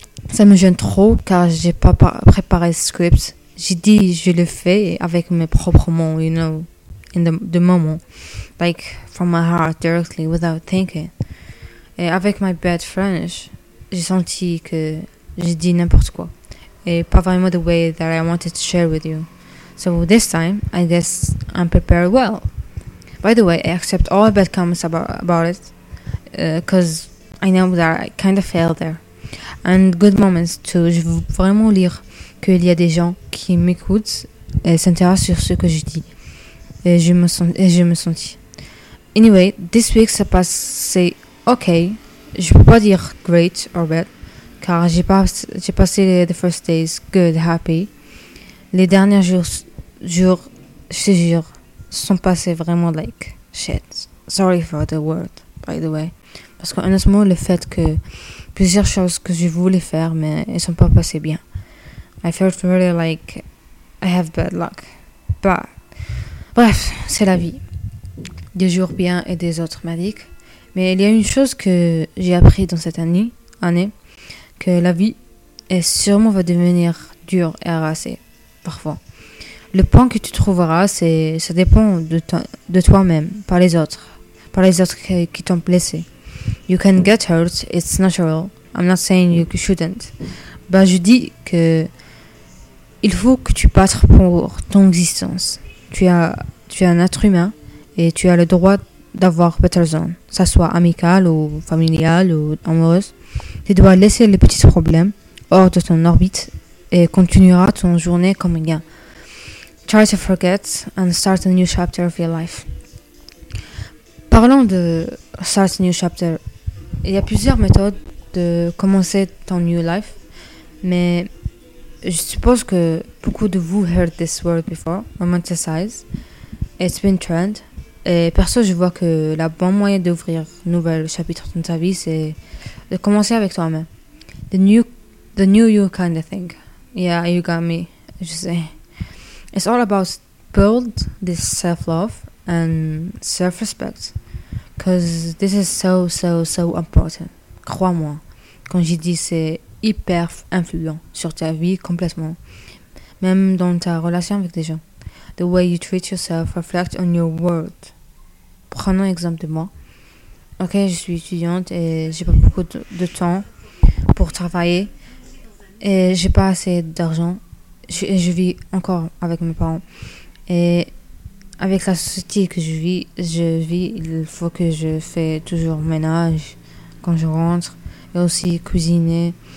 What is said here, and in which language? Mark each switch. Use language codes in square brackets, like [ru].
[fr] Ça me gêne trop car j'ai pas préparé le script. J'ai dit, je le fais avec mes propres mots, [en] you know, in the moment. Like, from my heart, directly, without thinking. [fr] Et avec [en] my bad French, [fr] j'ai senti que j'ai dit n'importe quoi. Et pas vraiment [en] the way that I wanted to share with you. So this time, I guess I'm prepared well. By the way, I accept all bad comments about it. Because I know that I kind of failed there. And good moments too. [fr] Je veux vraiment lire qu'il y a des gens qui m'écoutent et s'intéressent sur ce que je dis. Et je me sentis. [en] Anyway, this week [fr] ça passe, c'est ok. Je peux pas dire [en] great or bad, [fr] car j'ai passé [en] the first days good, happy. [fr] Les derniers jours, je te jure, sont passés vraiment [en] like shit. Sorry for the word, by the way. [fr] Parce qu'honnêtement, le fait que plusieurs choses que je voulais faire, mais elles sont pas passées bien. [en] I felt really like I have bad luck. [fr] But, bref, c'est la vie. Des jours bien et des autres maliques. Mais il y a une chose que j'ai appris dans cette année, que la vie est sûrement va devenir dure et harassée, parfois. Le point que tu trouveras, c'est ça dépend de toi-même, par les autres qui t'ont blessé. [en] You can get hurt, it's natural. I'm not saying you shouldn't. [fr] Bah, je dis que il faut que tu battes pour ton existence. Tu es un être humain et tu as le droit d'avoir [en] better zone, [fr] que ce soit amical ou familial ou amoureuse. Tu dois laisser les petits problèmes hors de ton orbite et continueras ton journée comme un gars. [en] Try to forget and start a new chapter of your life. [fr] Parlons de [en] start a new chapter. [fr] Il y a plusieurs méthodes de commencer ton [en] new life, [fr] mais je suppose que beaucoup de vous [en] heard this word before, romanticize. It's been trend. [fr] Et perso, je vois que la bonne moyen d'ouvrir un nouvel chapitre dans ta vie, c'est de commencer avec toi-même. [en] The new you kind of thing. Yeah, you got me. [fr] Je sais. [en] It's all about build this self-love and self-respect. Because this is so important. [fr] Crois-moi. Quand j'ai dit c'est hyper influent sur ta vie complètement, même dans ta relation avec des gens. [en] The way you treat yourself reflects on your world. [fr] Prenons exemple de moi. Ok, je suis étudiante et j'ai pas beaucoup de temps pour travailler et j'ai pas assez d'argent. Je vis encore avec mes parents et avec la société que je vis, il faut que je fasse toujours ménage quand je rentre et aussi cuisiner.